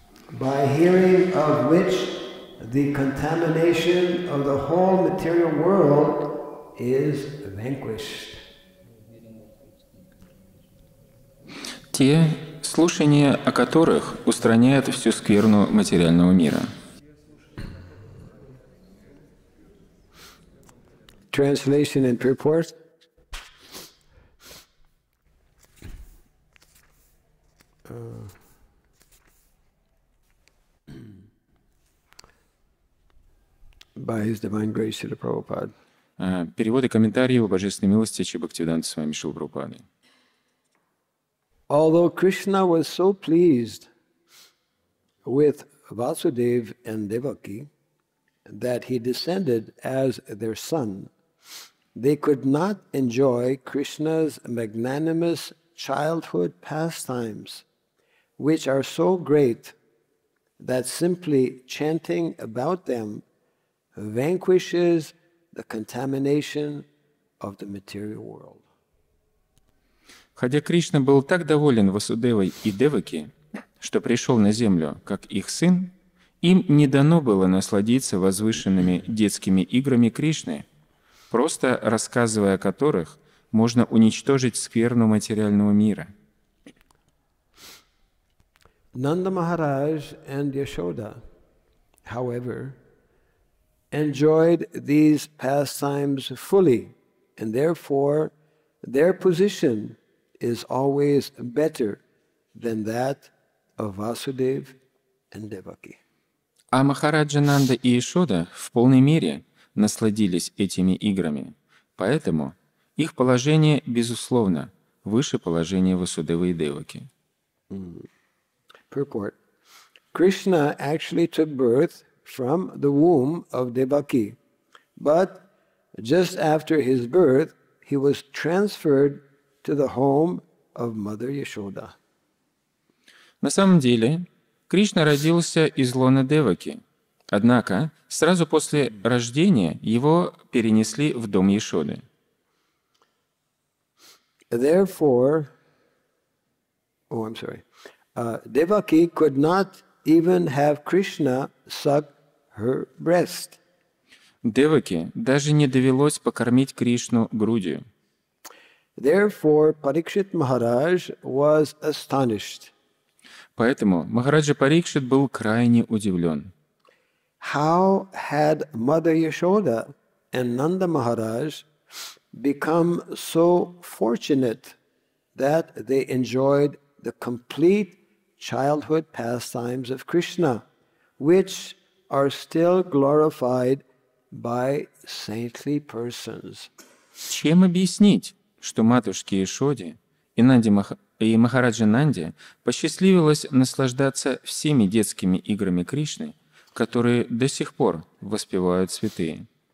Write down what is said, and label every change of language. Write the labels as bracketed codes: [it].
[en] By hearing of which the contamination of the whole material world is vanquished. [ru] Те слушания, о которых устраняют всю скверну материального мира. [en] Translation and purport. By His Divine Grace, Śrīla Prabhupāda. [ru] Перевод и комментарий по божественной милости Śrīla Bhaktivedānta Swami Śrīla Prabhupāda. [en] Although Krishna was so pleased with Vasudev and Devaki that he descended as their son, they could not enjoy Krishna's magnanimous childhood pastimes, which are so great that simply chanting about them vanquishes the contamination of the material world. [ru] Хотя Кришна был так доволен Васудевой и Деваки, что пришел на землю как их сын, им не дано было насладиться возвышенными детскими играми Кришны, просто рассказывая о которых можно уничтожить скверну материального мира. [en] Нанда Махарадж и Яшода, however, enjoyed these pastimes fully, and therefore their position is always better than that of Vasudev and Devaki. [ru] А Махараджа Нанда и Яшода в полной мере насладились этими играми, поэтому их положение, безусловно, выше положения Васудевы и Деваки. [en] Purport. Krishna actually took birth from the womb of Devaki, but just after his birth, he was transferred to the home of Mother Yashoda. [ru] На самом деле, Кришна родился из лона Деваки, Однако сразу после рождения его перенесли в дом Яшоды. [en] Therefore, oh, I'm sorry. Devaki could not even have Krishna suck her breast. [ru] Деваки даже не довелось покормить Кришну грудью. [en] Therefore, Parikshit Maharaj was astonished. [ru] Поэтому Махараджа Парикшит был крайне удивлен. [en] How had Mother Yashoda and Nanda Maharaj become so fortunate that they enjoyed the complete childhood pastimes of Krishna, which are still glorified by saintly persons? [ru] Чем объяснить, что матушке Яшоде и Нанде и Махараджа Нанде посчастливилось наслаждаться всеми детскими играми Кришны, которые до сих пор воспевают святые?